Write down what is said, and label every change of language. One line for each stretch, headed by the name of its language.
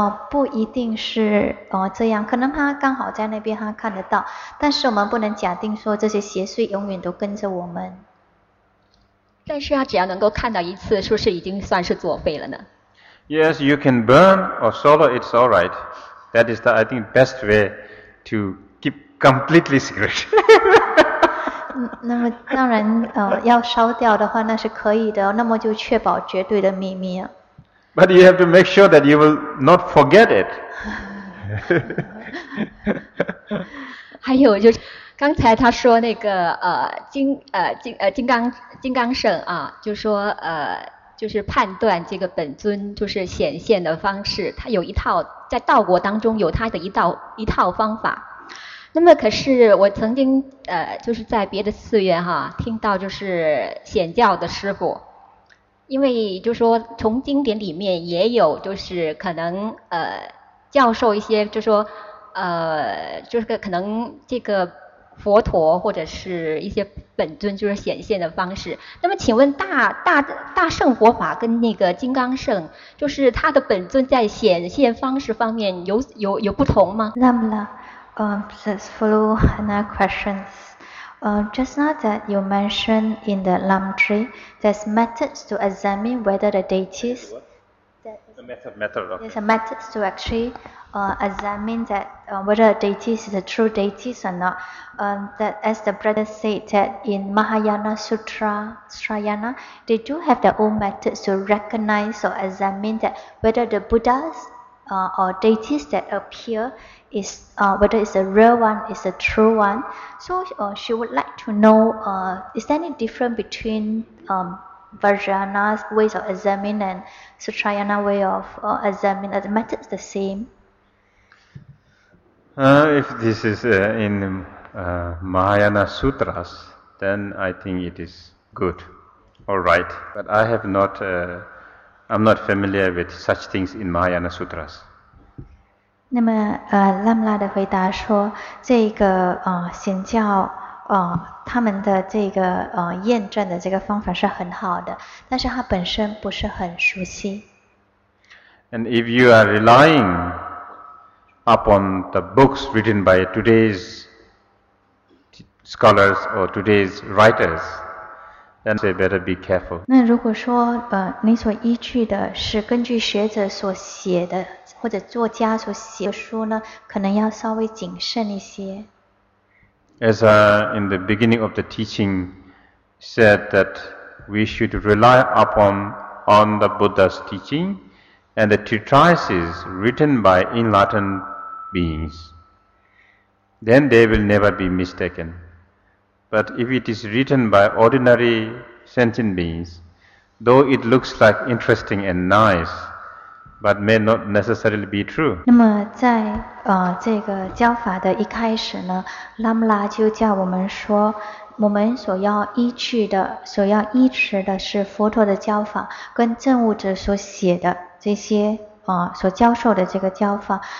Chinese: 不一定是这样，可能他刚好在那边他看得到，但是我们不能假定说这些邪祟永远都跟着我们。但是啊，只要能够看到一次，是不是已经算是作废了呢？
English: Yes, you can burn or swallow, it's all right. That is the, I think, best way to keep completely secret.
Chinese: 那么当然要烧掉的话那是可以的，那么就确保绝对的秘密啊。
English: But you have to make sure that you will not forget it.
Chinese: 还有就是刚才他说那个金刚圣啊，就说就是判断这个本尊就是显现的方式，他有一套在道国当中有他的一套方法。那么可是我曾经就是在别的寺院哈听到就是显教的师父。因为就是说从经典里面也有就是可能教授一些就是说就是可能这个佛陀或者是一些本尊就是显现的方式。那么请问大圣佛法跟那个金刚圣就是他的本尊在显现方式方面有不同吗？那么呢
English: let's follow another questionsJust now that you mentioned in the Lam Tree, there's methods to examine whether the deities... There's a methods to actually examine that whether a deities is a true deities or not. That as the brother said that in Mahayana Sutra, Srayana, they do have their own methods to recognize or examine that whether the Buddhas or deities that appear,is whether it's a real one, it's a true one. So she would like to know, is there any difference between Vajrayana's ways of examining and Sutrayana way of examining? Are the methods the same? If this is in Mahayana Sutras, then I think it is good, all right. But I have not, I'm not familiar with such things in Mahayana Sutras.
Chinese: 那么拉姆拉的回答说这个显教他们的这个验证的这个方法是很好的，但是他本身不是很熟悉。
English: And if you are relying upon the books written by today's scholars or today's writers, then you better be careful.
Chinese: 那如果说你所依据的是根据学者所写的或者作家所写的书呢，可能要稍微谨慎一些。
English: As in the beginning of the teaching said that we should rely upon the Buddha's teaching and the treatises written by enlightened beings. Then they will never be mistaken. But if it is written by ordinary sentient beings, though it looks like interesting and nice,But may not necessarily be true.
Chinese: 那么在这个教法的一开始呢，拉姆拉就叫我们说，我们所要依据的、所要依持的是佛陀的教法，跟证悟者所写的这些所教授的这个教法。